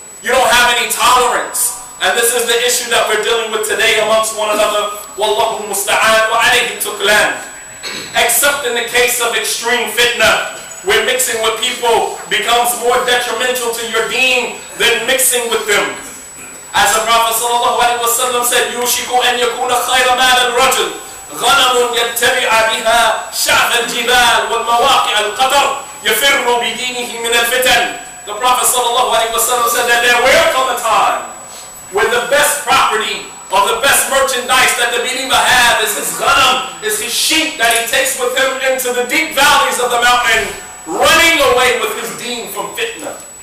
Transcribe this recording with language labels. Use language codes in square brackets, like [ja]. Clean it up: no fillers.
[en] You don't have any tolerance. And this is the issue that we're dealing with today amongst one another. [ar] وَاللَّهُ مُسْتَعَانَ وَعَلَيْهِ تُقْلَانَ. [en] Except in the case of extreme fitna, where mixing with people becomes more detrimental to your deen than mixing with them. As the Prophet sallallahu alaihi wasallam said, [ar] يُوشِكُ أَنْ يَكُونَ خَيْرَ مَالَ الرَّجُلِ غَنَمٌ يَتَّبِعَ بِهَا شَعْفَ الْجِبَالِ وَالْمَوَاقِعَ الْقَدَرِ يَفِرُّ بِدِينِهِ مِنَ الْفِتَنِ. [en] The Prophet sallallahu alaihi wasallam said that there will come a time where the best property or the best merchandise that the believer have is his ghanam, is his sheep that he takes with him into the deep valleys of the mountain, running away with his deen from fitna.